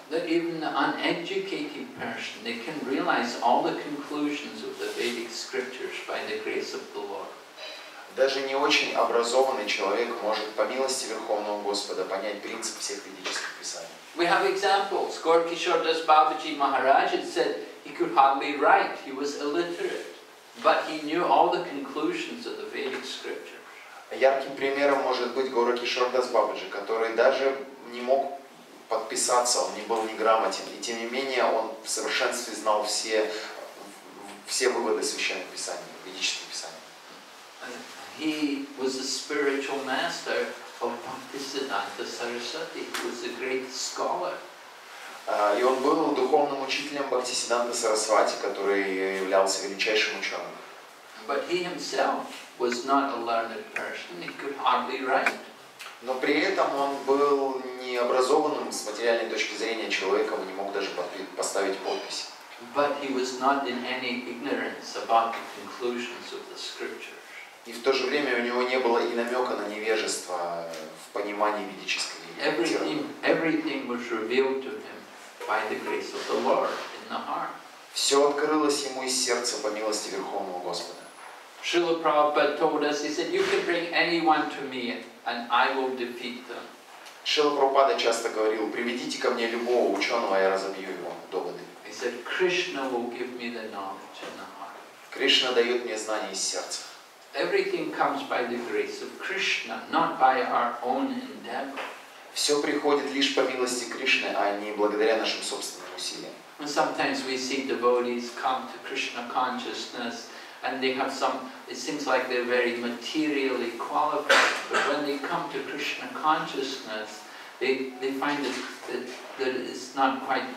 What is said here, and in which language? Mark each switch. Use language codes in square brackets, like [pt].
[en] That even an uneducated person they can realize all the conclusions of the Vedic scriptures by the grace of the Lord. [ru] Даже не очень образованный человек может по милости Верховного Господа понять принцип всех ведических писаний. [en] We have examples. Gaur Kishore Das Babaji Maharaj said he could hardly write. He was illiterate, but he knew all the conclusions of the Vedic scriptures. [ru] Ярким примером может быть Гаур Кишор Дас Бабаджи, который даже не мог подписаться, он не был неграмотен, и тем не менее он в совершенстве знал все выводы священных писаний, ведических писаний. [en] He was the spiritual master of Bhaktisiddhanta Saraswati, who was a great scholar. [ru] И он был духовным учителем Бхактисиддханта Сарасвати, который являлся величайшим ученым. [en] But he himself was not a learned person. He could hardly write. [ru] Но при этом он был необразованным с материальной точки зрения человеком и не мог даже поставить подпись. [en] But he was not in any ignorance about the conclusions of the scripture. [ru] И в то же время у него не было и намека на невежество в понимании ведической веры. [en] Everything was revealed to him by the grace of the Lord in the heart. [ru] Все открылось ему из сердца по милости Верховного Господа. [en] Srila Prabhupada told us, he said, you can bring anyone to me and I will defeat them. [ru] Srila Prabhupada часто говорил, приведите ко мне любого ученого, я разобью его доводы. [en] He said, Krishna will give me the knowledge in the heart. [ru] Кришна дает мне знание из сердца. [en] Everything comes by the grace of Krishna, not by our own endeavor. [ru] Все приходит лишь по милости Кришны, а не благодаря нашим собственным усилиям. [en] And sometimes we see devotees come to Krishna consciousness, and they have some. It seems like they're very materially qualified, but when they come to Krishna consciousness, they find that it's not quite.